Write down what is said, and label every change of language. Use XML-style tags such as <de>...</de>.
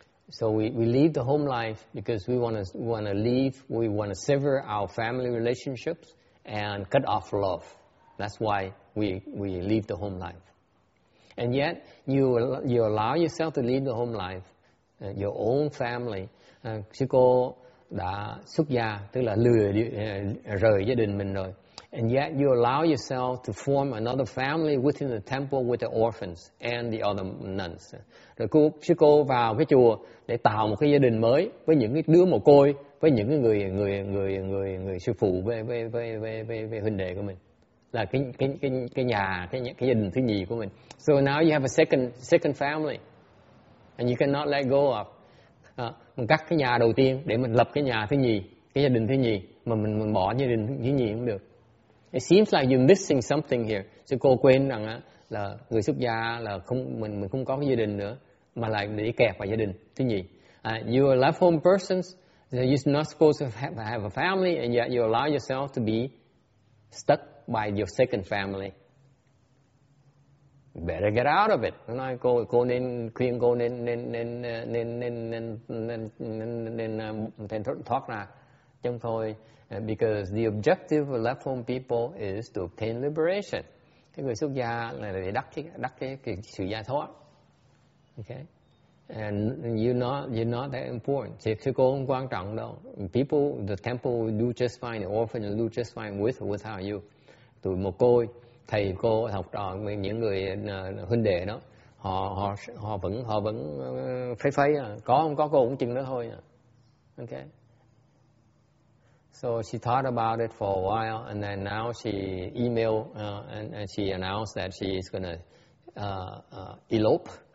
<en>So we leave the home life because we want to sever our family relationships and cut off love. That's why we leave the home life. And yet you allow yourself to leave the home life, your own family.</en> <vi>Sư cô đã xuất gia, tức là rời gia đình mình rồi.</vi> <en>And yet you allow yourself to form another family within the temple with the orphans and the other nuns.</en> <vi>Rồi sư cô vào cái chùa để tạo một cái gia đình mới với những cái đứa mồ côi, với những cái người sư phụ với huynh đệ của mình. Là cái nhà, cái gia đình thứ nhì của mình.</vi> <en>So now you have a second family and you cannot let go of.</en> <vi>Mình cắt cái nhà đầu tiên để mình lập cái nhà thứ nhì, cái gia đình thứ nhì, mà mình bỏ gia đình thứ nhì cũng được.</vi> <en>It seems like you're missing something here. So</en> <vi>cô quên rằng là người xuất gia là không, mình không có gia đình nữa, mà lại để kẹt vào gia đình thứ nhì.</vi> <en>You are left home persons, you're not supposed to have a family, and yet you allow yourself to be stuck by your second family. Better get out of it.</en> <vi>Nói cô nên khuyên cô nên thoát ra. Chúng thôi,</vi> <en>because the objective of left home people is to obtain liberation.</en> <vi>Cái người xuất gia là để đắc cái sự giải thoát. Okay.</vi> <en>And you're not that important. Thì sư cô không quan trọng đâu. People, the temple do just fine. The orphanage do just fine with or without you.</en> <vi>Tụi mồ côi, thầy cô, học trò, những người huynh đệ đó, họ vẫn phế phế. Có không có cô cũng chừng đó thôi.</vi> <en>Okay. So she thought about it for a while, and then now she emailed and she announced that she is going to elope.</en>